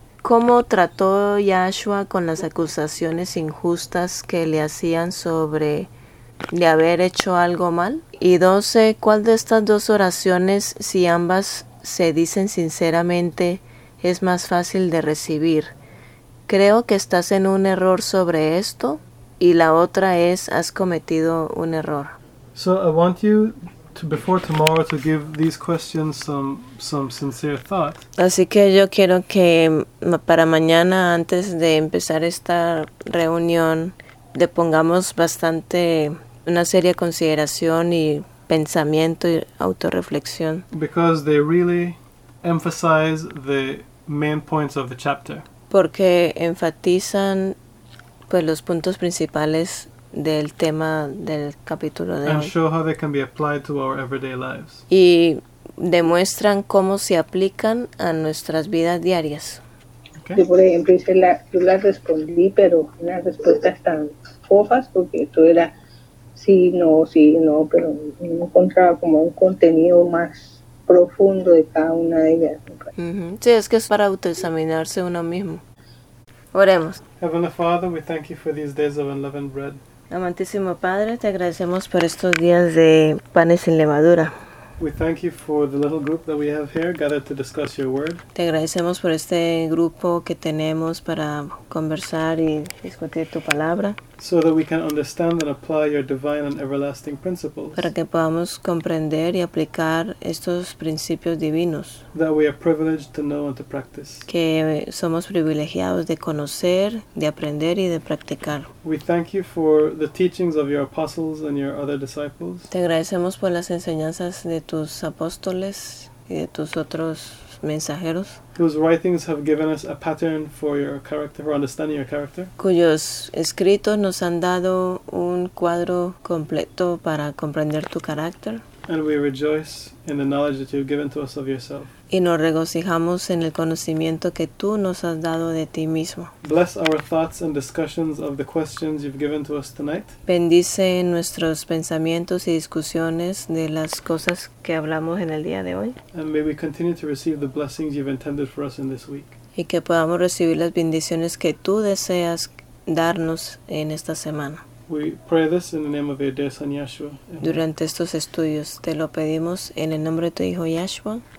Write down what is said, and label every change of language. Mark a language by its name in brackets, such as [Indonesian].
[Spanish] ¿Cómo trató Yahshua con las acusaciones injustas que le hacían sobre de haber hecho algo mal? Y 12, ¿cuál de estas dos oraciones, si ambas se dicen sinceramente, es más fácil de recibir? Creo que estás en un error sobre esto, y la otra es, has cometido un error. [English] So I want you to, before tomorrow, to give these questions some sincere thought. [Spanish] Así que yo quiero que para mañana, antes de empezar esta reunión, le pongamos bastante, una seria consideración y pensamiento y autorreflexión. [English] Because they really emphasize the main points of the chapter. [Spanish] Porque enfatizan pues los puntos principales del tema del capítulo de [English] And [Spanish] hoy. [English] And show how they can be applied to our everyday lives. [Spanish] Y demuestran cómo se aplican a nuestras vidas diarias. [English] Okay. [Spanish] Yo, por ejemplo, hice la, yo las respondí, pero unas respuestas tan fofas, porque esto era sí, no, pero no encontraba como un contenido más profundo de cada una de ellas. Uh-huh. Sí, es que es para autoexaminarse uno mismo. Oremos. [English] Heavenly Father, we thank you for these days of unleavened bread. [Spanish] Amantísimo Padre, te agradecemos por estos días de panes sin levadura. [English] We thank you for the little group that we have here gathered to discuss your word. [Spanish] Te agradecemos por este grupo que tenemos para conversar y discutir tu palabra. [English] So that we can understand and apply your divine and everlasting principles. [Spanish] Para que podamos comprender y aplicar estos principios divinos. [English] That we are privileged to know and to practice. [Spanish] Que somos privilegiados de conocer, de aprender y de practicar. [English] We thank you for the teachings of your apostles and your other disciples. [Spanish] Te agradecemos por las enseñanzas de tus apóstoles y de tus otros mensajeros, [English] whose writings have given us a pattern for your character, for understanding your character, [Spanish] cuyos escritos nos han dado un cuadro completo para comprender tu carácter, [English] and we rejoice in the knowledge that you've given to us of yourself, [Spanish] y nos regocijamos en el conocimiento que tú nos has dado de ti mismo. [English] Bless our thoughts and discussions of the questions you've given to us tonight. [Spanish] Bendice nuestros pensamientos y discusiones de las cosas que hablamos en el día de hoy. [English] And may we continue to receive the blessings you've intended for us in this week. [Spanish] Y que podamos recibir las bendiciones que tú deseas darnos en esta semana. [English] We pray this in the name of your dear son Yahshua. [Spanish] Durante estos estudios te lo pedimos en el nombre de tu hijo Yahshua.